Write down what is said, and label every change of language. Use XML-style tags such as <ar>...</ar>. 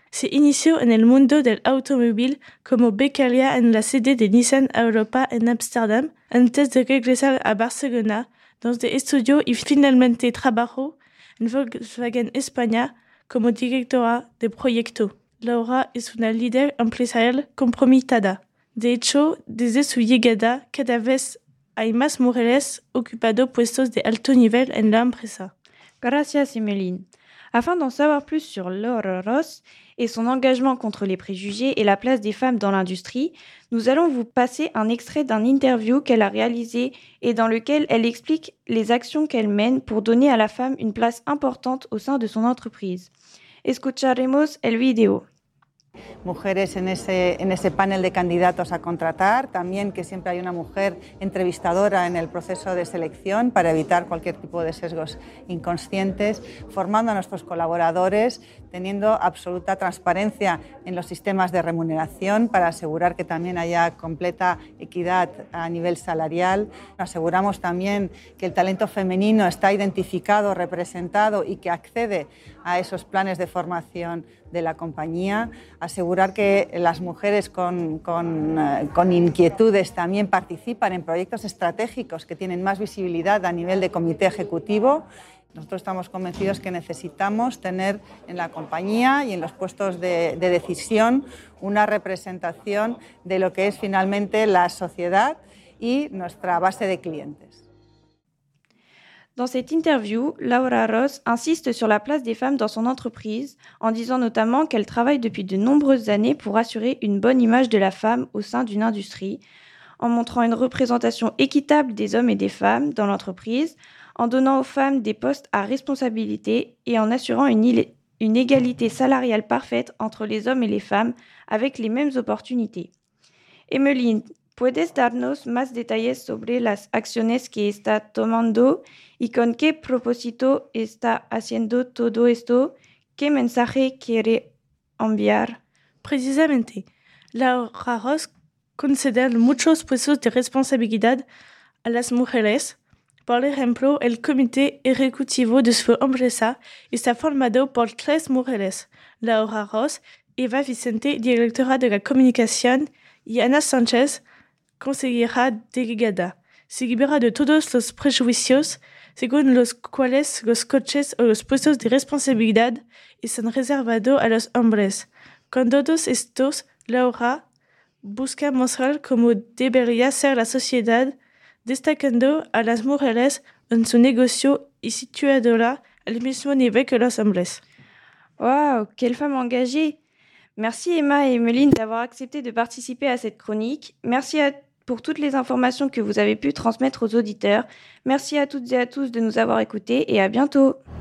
<es>Se inició en el mundo del automóvil como becaria en la sede de Nissan Europa en Ámsterdam antes de regresar a Barcelona, donde estudió y finalmente trabajó en Volkswagen España como directora de proyecto. Laura es una líder empresarial comprometida. De hecho, desde su llegada, cada vez hay más mujeres ocupando puestos de alto nivel en la empresa. Gracias, Emeline.</es> <fr>Afin d'en savoir plus sur Laura Ross et son engagement contre les préjugés et la place des femmes dans l'industrie, nous allons vous passer un extrait d'un interview qu'elle a réalisé et dans lequel elle explique les actions qu'elle mène pour donner à la femme une place importante au sein de son entreprise.</fr> <es>Escucharemos el video. Mujeres en ese panel de candidatos a contratar, también que siempre hay una mujer entrevistadora en el proceso de selección para evitar cualquier tipo de sesgos inconscientes, formando a nuestros colaboradores, teniendo absoluta transparencia en los sistemas de remuneración para asegurar que también haya completa equidad a nivel salarial. Aseguramos también que el talento femenino está identificado, representado y que accede a esos planes de formación de la compañía. Asegurar que las mujeres con inquietudes también participan en proyectos estratégicos que tienen más visibilidad a nivel de comité ejecutivo. Nosotros estamos convencidos que necesitamos tener en la compañía y en los puestos de decisión una representación de lo que es finalmente la sociedad y nuestra base de clientes.</es> <fr>Dans cette interview, Laura Ross insiste sur la place des femmes dans son entreprise en disant notamment qu'elle travaille depuis de nombreuses années pour assurer une bonne image de la femme au sein d'une industrie, en montrant une représentation équitable des hommes et des femmes dans l'entreprise, en donnant aux femmes des postes à responsabilité et en assurant une égalité salariale parfaite entre les hommes et les femmes avec les mêmes opportunités.</fr> <es>Emeline, ¿puedes darnos más detalles sobre las acciones que está tomando y con qué propósito está haciendo todo esto? ¿Qué mensaje quiere enviar? Precisamente, la Rajos concede muchos puestos de responsabilidad a las mujeres. Por ejemplo, el comité ejecutivo de su empresa está formado por 3 mujeres: Laura Ross, Eva Vicente, directora de la comunicación, y Ana Sánchez, consejera delegada. Se libera de todos los prejuicios según los cuales los coches o los puestos de responsabilidad están reservados a los hombres. Con todos estos, Laura busca mostrar cómo debería ser la sociedad, destacando a las mujeres en su negocio y situándola al mismo nivel que los hombres.</es> <fr>Wow, quelle femme engagée! Merci Emma et Emeline d'avoir accepté de participer à cette chronique. Merci pour toutes les informations que vous avez pu transmettre aux auditeurs. Merci à toutes et à tous de nous avoir écoutés et à bientôt!</fr>